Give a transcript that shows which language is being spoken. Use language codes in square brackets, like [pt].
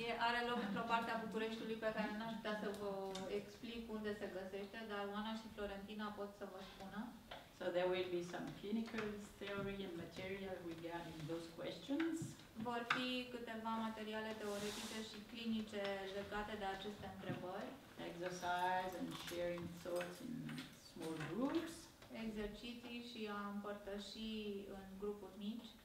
[ro] Are loc într-o parte a Bucureștiului pe care n-aș putea să vă explic unde se găsește, dar Oana și Florentina pot să vă spună. [en] So there will be some clinical theory and material regarding those questions. [ro] Vor fi câteva materiale teoretice și clinice legate de aceste întrebări. [en] Exercise and sharing thoughts in small groups. [ro] Exerciții și a împărtăși în grupuri mici.